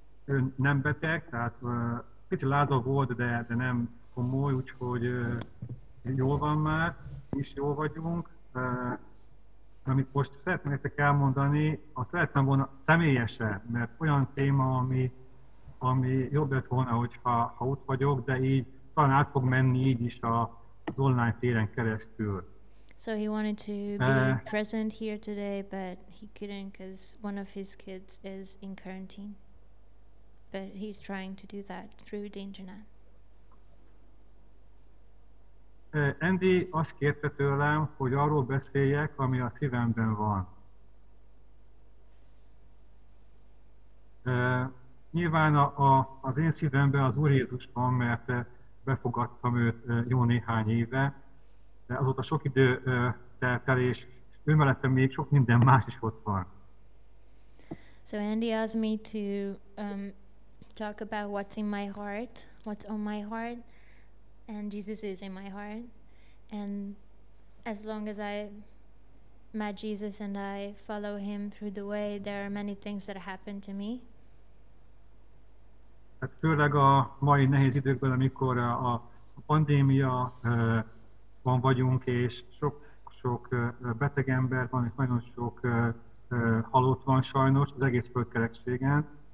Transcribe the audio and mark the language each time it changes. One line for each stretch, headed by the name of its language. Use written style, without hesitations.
Hungarian: Ő nem beteg, tehát kicsit lázabb volt, de nem komoly, úgyhogy jól van már, is jól vagyunk. Amit most szeretném nektek elmondani, azt szerettem volna személyesen, mert olyan téma, ami jobb lett volna, ha ott vagyok, de így talán át fog menni így is az online téren keresztül.
English: So he wanted to be present here today, but he couldn't because one of his kids is in quarantine. But he's trying to do that through the internet.
Hungarian: Andy azt kérte tőlem, hogy arról beszéljek, ami a szívemben van. Nyilván az én szívemben az Úr Jézus van, mert befogadtam őt jó néhány éve. De azóta sok idő telt el, és ő mellette még sok minden más is ott van.
English: So Andy asked me to talk about what's in my heart, what's on my heart, and Jesus is in my heart. And as long as I met Jesus and I follow him through the way, there are many things that happen to me.
Hungarian: Hát főleg a mai nehéz időkben, amikor a pandémia van vagyunk, és sok beteg ember van, és nagyon sok halott van sajnos az egész földkerekségen.